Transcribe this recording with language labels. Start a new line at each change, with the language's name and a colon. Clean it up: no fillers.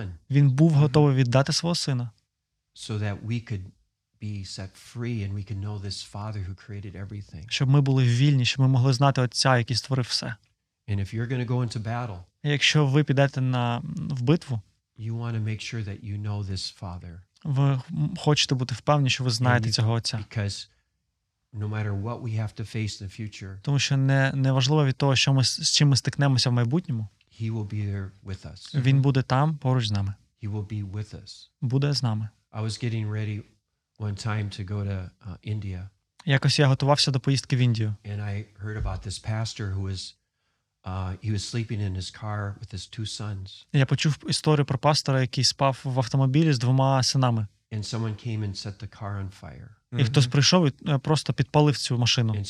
Ukrainian: Він був готовий віддати свого сина.
English: So that we could be set free and we could know this father who created everything.
Ukrainian: Щоб ми були вільні, щоб ми могли знати отця, який створив все.
English: And if you're going to go into battle.
Ukrainian: Якщо ви підете в битву,
English: you want to make sure that you know this father.
Ukrainian: Ви хочете бути впевнені, що ви знаєте цього отця.
English: Because no matter what we have to face in the future.
Ukrainian: Тому що не важливо від того, що з чим ми стикнемося в майбутньому.
English: He will be there with us.
Ukrainian: Він буде там поруч з нами.
English: He will be with us.
Ukrainian: Буде з нами.
English: I was getting ready one time to go to India.
Ukrainian: Якось я готувався до поїздки в Індію.
English: And I heard about this pastor who was he was sleeping in his car with his two sons.
Ukrainian: Я почув історію про пастора, який спав в автомобілі з двома синами.
English: And someone came and set the car on fire.
Ukrainian: І хтось прийшов і просто підпалив цю машину.